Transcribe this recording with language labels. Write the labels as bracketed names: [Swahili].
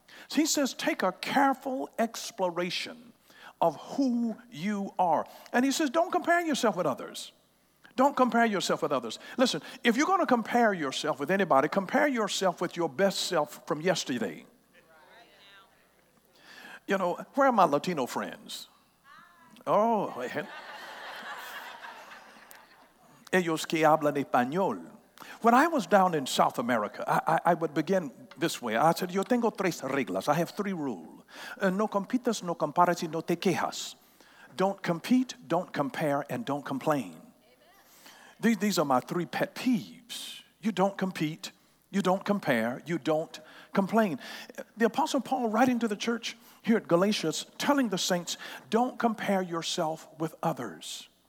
[English] So he says, take a careful exploration of who you are. And he says, don't compare yourself with others. Don't compare yourself with others. Listen, if you're going to compare yourself with anybody, compare yourself with your best self from yesterday. You know, where are my Latino friends? [Spanish] Oh, ellos que hablan español. [English] When I was down in South America, I would begin this way. I said, [Spanish] yo tengo tres reglas. [English] I have three rules. [Spanish] No compitas, no compares, y no te quejas. [English] Don't compete, don't compare, and don't complain. These are my three pet peeves. You don't compete, you don't compare, you don't complain. The Apostle Paul, writing to the church here at Galatians, telling the saints, don't compare yourself with others.